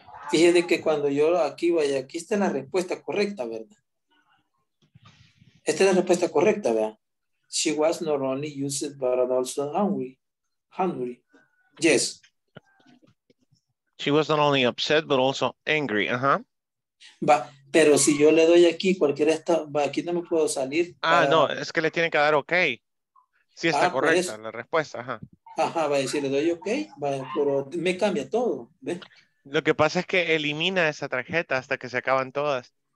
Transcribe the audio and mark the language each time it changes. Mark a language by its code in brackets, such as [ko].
[es] Fíjese que cuando yo aquí vaya, aquí está la respuesta correcta, ¿verdad? Esta es la respuesta correcta, ¿verdad? [en] She was not only used but also hungry. Hungry. Yes. She was not only upset but also angry. Ajá. [es] Va, pero si yo le doy aquí, cualquiera está, va, aquí no me puedo salir. Ah, no, es que le tienen que dar ok. Sí, está correcta pues, la respuesta, ajá. Ajá, va a decir, le doy ok, va, pero me cambia todo, ¿ves? Lo que pasa es que elimina esa tarjeta hasta que se acaban todas.